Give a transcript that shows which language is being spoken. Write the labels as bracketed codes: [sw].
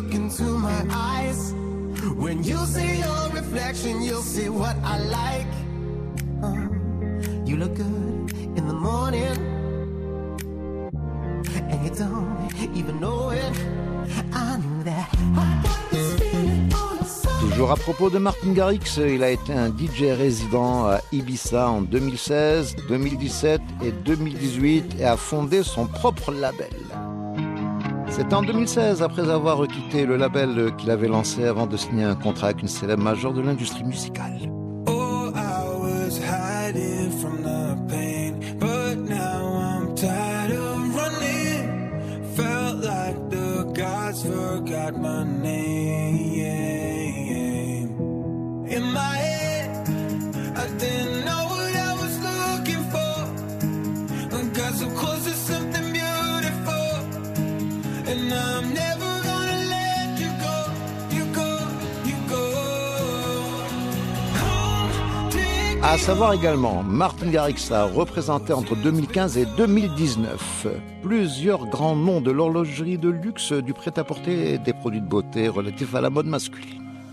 [en] into my eyes. When you see your reflection, you'll see what I like. You look good in the morning, and you don't even know it. I knew that. [fr] Toujours à propos de Martin Garrix, il a été un DJ résident à Ibiza en 2016, 2017 et 2018 et a fondé son propre label. C'est en 2016, après avoir quitté le label qu'il avait lancé avant de signer un contrat avec une célèbre majeure de l'industrie musicale. [en] Oh, I was hiding from the pain, but now I'm tired of running. Felt like the gods forgot my name. In my head, I didn't know what I was looking for. I got so close to something beautiful, and I'm never gonna let you go, you go, you go. [fr] À savoir également, Martin Garrix a représenté entre 2015 et 2019 plusieurs grands noms de l'horlogerie de luxe, du prêt-à-porter et des produits de beauté relatifs à la mode masculine.